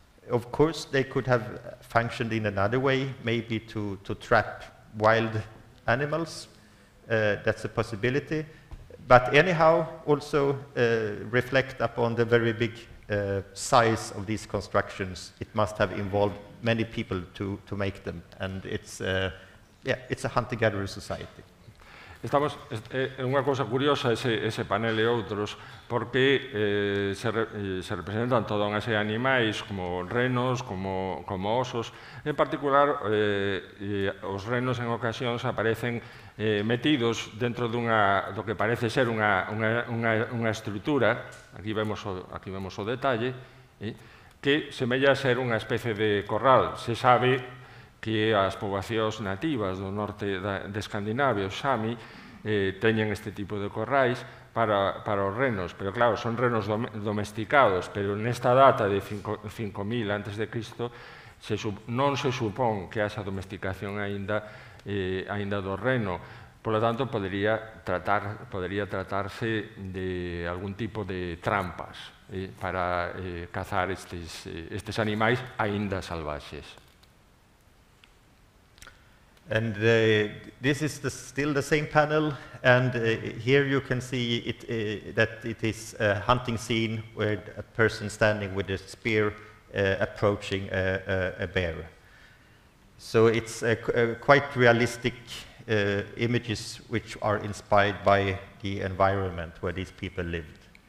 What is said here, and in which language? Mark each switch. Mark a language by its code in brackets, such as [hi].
[en] Of course, they could have functioned in another way, maybe to trap wild animals. That's a possibility. But anyhow, also reflect upon the very big size of these constructions. It must have involved many people to make them. And it's a hunter-gatherer society. [gl] Estamos en unha cousa curiosa ese panel e outros, porque se representan toda unha serie de animais como renos, como osos. En particular, os renos en ocasións aparecen metidos dentro dunha do que parece ser unha estrutura. Aquí vemos o detalle, que semella ser unha especie de corral. Se sabe que as poboacións nativas do norte de Escandinavia, os Sami, teñen este tipo de corrais para os renos, pero claro, son renos domesticados, pero nesta data de 5000 antes de Cristo non se supón que haxa domesticación aínda do reno. Polo tanto, podería tratarse de algún tipo de trampas para cazar estes animais aínda salvaxes. [en] And this is still the same panel, and here you can see that it is a hunting scene where a person standing with a spear approaching a bear. So it's quite realistic images which are inspired by the environment where these people lived.